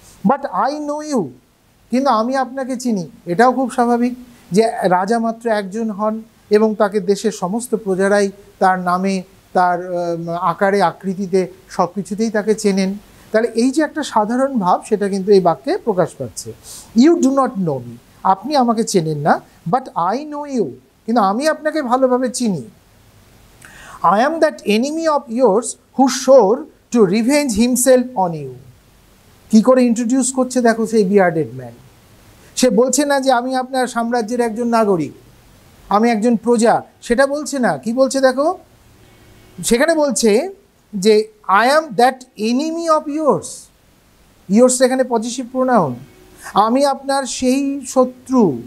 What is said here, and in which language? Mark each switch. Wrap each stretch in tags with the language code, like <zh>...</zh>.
<en>but I know you,</en> <bn>কিন্তু আমি আপনাকে চিনি, এটাও খুব স্বাভাবিক যে রাজা মাত্র একজন হন এবং তাকে দেশের সমস্ত প্রজারাই তার নামে, তার আকারে, আকৃতিতে, সব কিছুতেই তাকে চেনেন। তাহলে এই যে একটা সাধারণ ভাব সেটা কিন্তু এই বাক্যে প্রকাশ পাচ্ছে,</bn> <en>you do not know me,</en> <bn>আপনি আমাকে চেনেন না,</bn> <en>but I know you,</en> <bn>কিন্তু আমি আপনাকে ভালোভাবে চিনি।</bn> <en>I am that enemy of yours who swore to revenge himself on you.</en> <bn>কি করে ইন্ট্রোডিউস করছে দেখো সেই বিয়ার্ডেড ম্যান। সে বলছে না যে আমি আপনার সাম্রাজ্যের একজন নাগরিক, আমি একজন প্রজা, সেটা বলছে না। কি বলছে দেখো, সেখানে বলছে যে</bn> <en>I am that enemy of yours,</en> <bn>yours এখানে পজিটিভ প্রোনাউন, আমি আপনার সেই শত্রু।</bn>